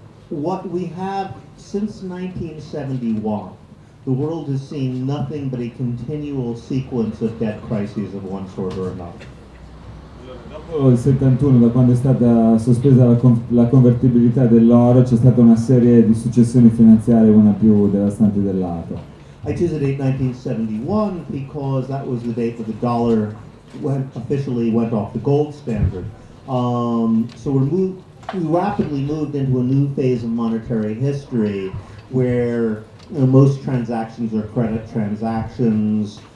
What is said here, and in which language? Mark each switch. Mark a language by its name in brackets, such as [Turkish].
[English] What we have since 1971, the world has seen nothing but a continual sequence of debt crises of one sort or another. [Italian] Dopo il 71, da quando è stata sospesa la convertibilità dell'oro, c'è stata una serie di successioni finanziarie, una più devastante dell'altra. [English] I chose the date 1971 because that was the date that the dollar officially went off the gold standard. So we rapidly moved into a new phase of monetary history where, you know, most transactions are credit transactions.